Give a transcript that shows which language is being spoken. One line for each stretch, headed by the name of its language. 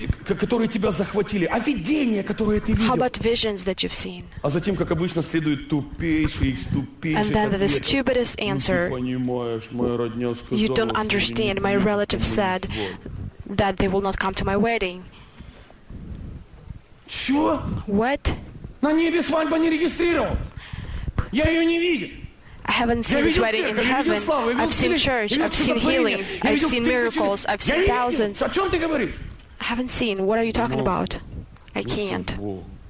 Russian: Которые тебя захватили, а видения, которые ты видел.
English: How about visions that you've seen?
Russian: А затем, как обычно, следует тупейший, ответ.
English: And then the stupidest answer.
Russian: Ты понимаешь, моя родня сказала.
English: You don't understand. My relative said that they will not come to my wedding.
Russian: Что?
English: What?
Russian: На небе свадьба не регистрировалась. Я ее не видел.
English: I haven't seen his wedding in heaven. I've seen church. I've seen healings. I've seen miracles. I've seen thousands.
Russian: О чем ты говоришь?
English: I haven't seen. What are you talking about? I can't.